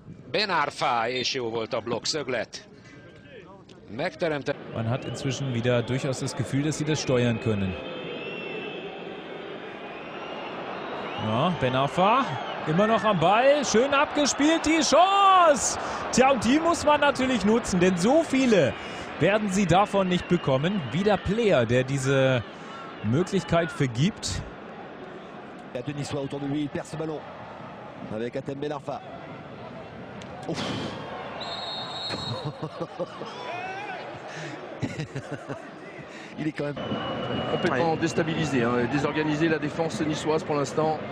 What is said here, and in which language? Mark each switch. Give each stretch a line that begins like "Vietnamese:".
Hungarian: Ben Arfa, és jó volt a blokk szöglet. Megteremtett.
German: Man hat inzwischen wieder durchaus das Gefühl, dass sie das steuern können. Ja, Ben Arfa immer noch am Ball, schön abgespielt, die Chance! Tja, und die muss man natürlich nutzen, denn so viele werden sie davon nicht bekommen. Wieder Player, der diese Möglichkeit vergibt.
French: Ja, Denis soit autour de lui, il perd ce ballon. Avec Atem Ben Arfa. Ouf. Il est quand même complètement déstabilisé, hein, désorganisé la défense niçoise pour l'instant.